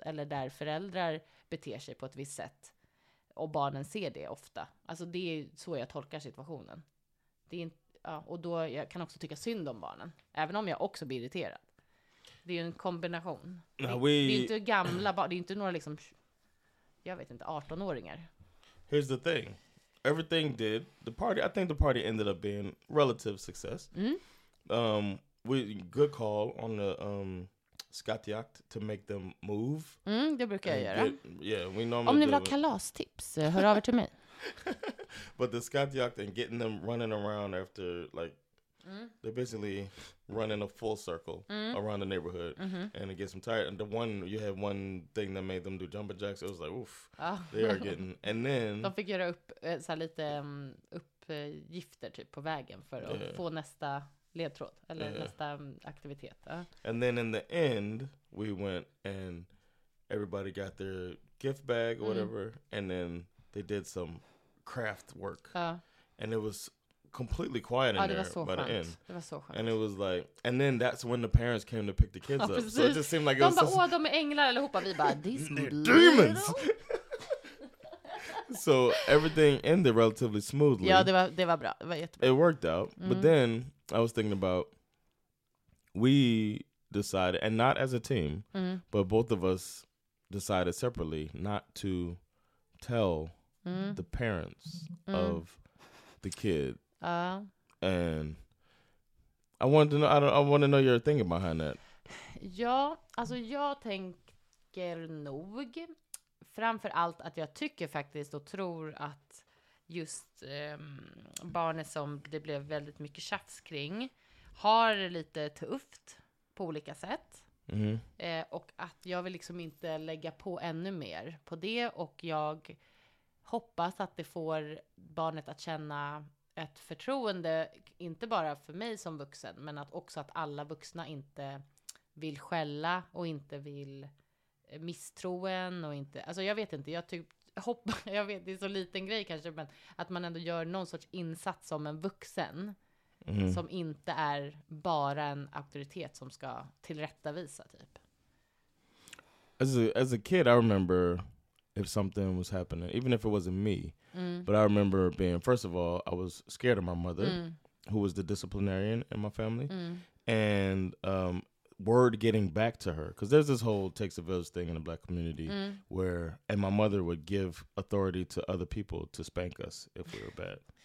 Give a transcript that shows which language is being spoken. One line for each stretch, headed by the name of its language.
Swedish: Eller där föräldrar beter sig på ett visst sätt. Och barnen ser det ofta. Alltså det är så jag tolkar situationen. Det är och då jag kan också tycka synd om barnen. Även om jag också blir irriterad. Det är ju en kombination. Det är inte gamla barn, det är inte några liksom, jag vet inte, 18-åringar.
English: Here's the thing. Everything did. The party, I think the party ended up being relative success. Mm. We good call on the skattjakt to make them move.
Swedish: Mm, det brukar jag göra.
English: Yeah, we normally
Swedish: om ni vill ha kalastips, hör över till mig.
English: But the skattjakt and getting them running around after, like, they're basically running a full circle around the neighborhood, and it gets them tired. And the one, you had one thing that made them do jumping jacks. It was like, oof, they are getting, and then...
Swedish: De fick göra upp så här lite uppgifter typ på vägen för att få nästa ledtråd, eller nästa aktivitet.
English: And then in the end, we went and everybody got their gift bag or whatever, and then they did some craft work. And it was completely quiet in there by the end.
Swedish: Det var så skönt.
English: And it was like, and then that's when the parents came to pick the kids up. So it just seemed like
Swedish: de
English: it was
Swedish: ba,
English: so,
Swedish: de är änglar allihopa. Vi bara,
English: these demons. So everything ended relatively smoothly.
Swedish: Ja, det var bra. Det var jättebra.
English: It worked out. Mm. But then I was thinking about, we decided, and not as a team, but both of us decided separately not to tell the parents of the kid. And I wanted to know, I want to know your thinking behind that.
Swedish: Ja, alltså jag tänker nog framför allt att jag tycker faktiskt och tror att just barnet som det blev väldigt mycket tjafs kring har lite tufft på olika sätt. Och att jag vill liksom inte lägga på ännu mer på det, och jag hoppas att det får barnet att känna ett förtroende, inte bara för mig som vuxen, men att också att alla vuxna inte vill skälla och inte vill misstro en och inte, alltså jag vet inte, jag vet, det är så liten grej kanske, men att man ändå gör någon sorts insats som en vuxen som inte är bara en auktoritet som ska tillrättavisa typ.
English: As a kid I remember if something was happening, even if it wasn't me, but I remember being, first of all, I was scared of my mother, who was the disciplinarian in my family, and word getting back to her, because there's this whole takes a village thing in the black community, where, and my mother would give authority to other people to spank us if we were bad.